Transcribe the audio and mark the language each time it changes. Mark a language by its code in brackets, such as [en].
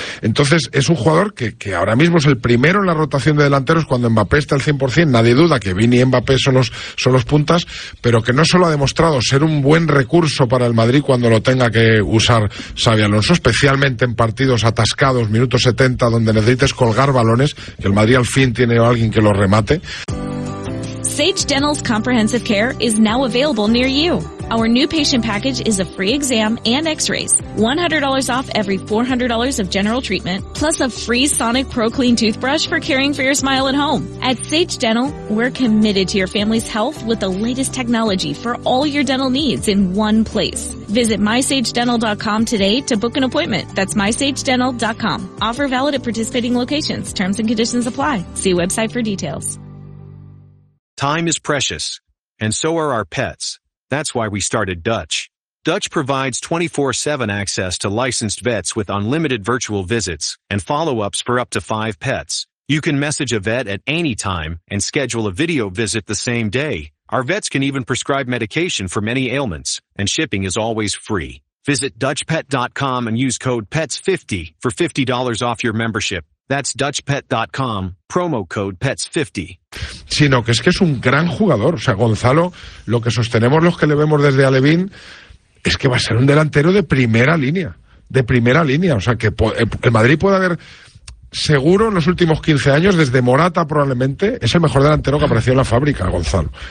[es] Entonces es un jugador que ahora mismo es el primero en la rotación de delanteros cuando Mbappé está al 100%, nadie duda que Vini y Mbappé son los puntas, pero que no solo ha demostrado ser un buen recurso para el Madrid cuando lo tenga que usar Xavi Alonso, especialmente en partidos atascados, minuto 70, donde necesites colgar balones, que el Madrid al fin tiene a alguien que lo remate. [en] Sage Dental's comprehensive care is now available near you. Our new patient package is a free exam and x-rays, $100 off every $400 of general treatment, plus a free Sonic Pro Clean toothbrush for caring for your smile at home. At Sage Dental, we're committed to your family's health with the latest technology for all your dental needs in one place. Visit MySageDental.com today to book an appointment. That's MySageDental.com. Offer valid at participating locations. Terms and conditions apply. See website for details. Time is precious, and so are our pets. That's why we started Dutch. Dutch provides 24/7 access to licensed vets with unlimited virtual visits and follow-ups for up to 5 pets, You can message a vet at any time and schedule a video visit the same day. Our vets can even prescribe medication for many ailments, and shipping is always free. Visit DutchPet.com and use code PETS50 for $50 off your membership. That's DutchPet.com, promo code PETS50. [es] Sino que es un gran jugador. O sea, Gonzalo, lo que sostenemos los que le vemos desde Alevín es que va a ser un delantero de primera línea. De primera línea. O sea, que el Madrid puede haber... Seguro, en los últimos 15 años, desde Morata probablemente, es el mejor delantero que apareció en la fábrica, Gonzalo.